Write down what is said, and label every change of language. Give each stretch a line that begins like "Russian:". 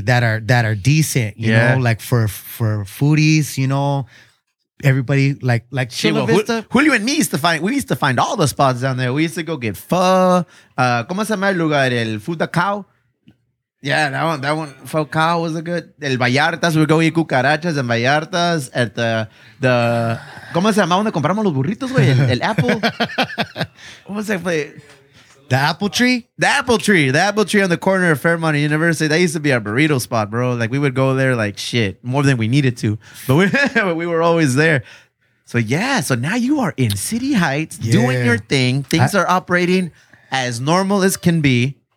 English: That are decent, you know, like for foodies, you know. Everybody like Chula Vista. Julio and me used to find all the spots down there. We used to go get pho.
Spanish: ¿Cómo se llama el lugar?
English: El Food Cow. Yeah, that one pho cow was a good.
Spanish: El Vallartas.
English: We go eat cucarachas and Vallartas at the
Spanish: ¿Cómo se llama donde compramos los burritos, güey?
English: El apple. What was that place? The apple tree on the corner of Fairmont and University. That used to be our burrito spot, bro. Like we would go there like shit more than we needed to, but we were always there. So yeah. So now you are in City Heights doing your thing. Things are operating as normal as can be.